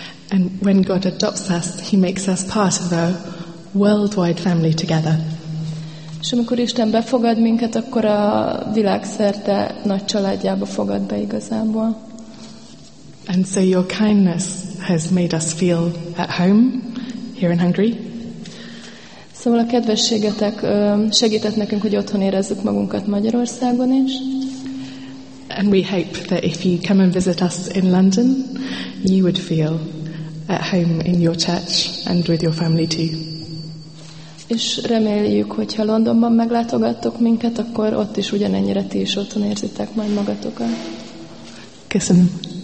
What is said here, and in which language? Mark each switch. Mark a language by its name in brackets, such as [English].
[English] And when God adopts us, he makes us part of a worldwide family together. [Hungarian] És amikor Isten befogad minket, akkor a világszerte nagy családjába fogad be igazából. [English] And so your kindness has made us feel at home here in Hungary. [Hungarian] Szóval a kedvességetek segített nekünk, hogy otthon érezzük magunkat Magyarországon is. [English] And we hope that if you come and visit us in London, you would feel at home in your church and with your family too. [Hungarian] És reméljük, hogy ha Londonban meglátogattok minket, akkor ott is ugyanennyire ti is otthon érzitek majd magatokat. Köszönöm.